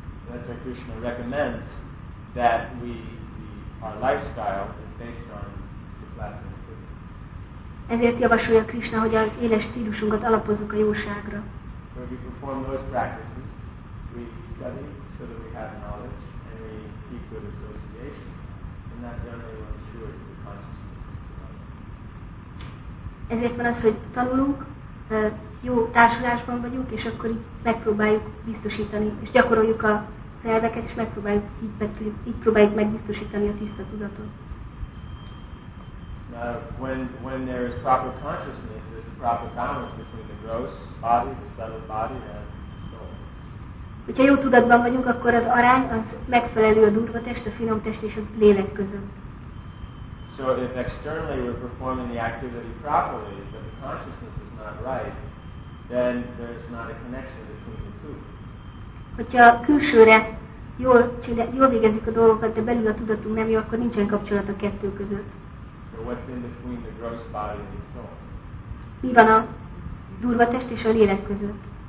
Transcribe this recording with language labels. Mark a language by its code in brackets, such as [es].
[en] That's why Krishna recommends that our lifestyle is based on the platinum purity. [hu] Ezért javasolja Krishna, hogy az éles stílusunkat alapozzuk a jóságra. [en] So if we perform those practices, we study so that we have knowledge and we keep good association, and that generally will ensure the consciousness. [hu] Ezért van az, hogy tanulunk, jó társulásban vagyunk, és akkor így megpróbáljuk biztosítani, és gyakoroljuk a elveket, és megpróbáljuk így próbáljuk megbiztosítani a tiszta tudatot. [en] Now, when there is proper consciousness, there's a proper balance between the gross body, the subtle body, and soul. [hu] Hogyha jó tudatban vagyunk, akkor az arány az megfelelő a durva test, a finom test és a lélek között. [en] So if externally we're performing the activity properly, but the consciousness is not right, then there's not a connection between the two. [hu] Hogyha külsőre jól végezik a dolgokat, de belül a tudatunk nem jó, akkor nincsen kapcsolat a kettő között. [en] So what's in between the gross body and the soul? [hu] Mi van a durva test és a lélek között?